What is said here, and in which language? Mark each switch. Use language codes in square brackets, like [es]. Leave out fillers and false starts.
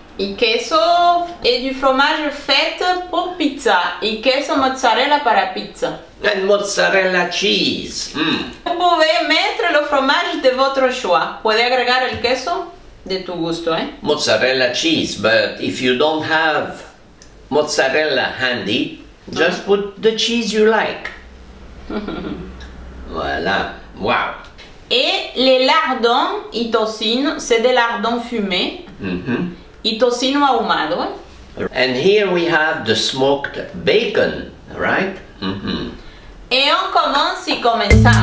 [es] Y queso, [fr] et du fromage fait pour pizza. [es] Y queso mozzarella para pizza. [en] And mozzarella cheese. [fr] Vous pouvez mettre le fromage de votre choix. [es] Puede agregar el queso de tu gusto, eh? [en] Mozzarella cheese, but if you don't have mozzarella handy, just put the cheese you like. [fr] Voilà. Wow. Et les lardons [es] y tocino, [fr] c'est des lardons fumés. [es] Y tocino ahumado. [en] And here we have the smoked bacon, right? [fr] Et on commence et commençons.